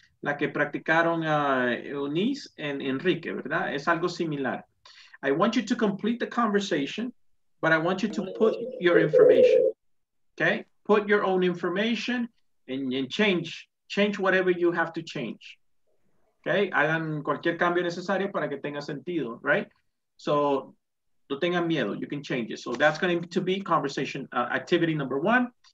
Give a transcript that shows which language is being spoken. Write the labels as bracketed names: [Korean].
[Spanish] La que practicaron Eunice and Enrique, ¿verdad? Es algo similar. [English] I want you to complete the conversation, but I want you to put your information, okay? Put your own information and change whatever you have to change, okay? [Spanish] Hagan cualquier cambio necesario para que tenga sentido, right? [English] So, [Spanish] no tengan miedo, [English] you can change it. So that's going to be conversation activity number one.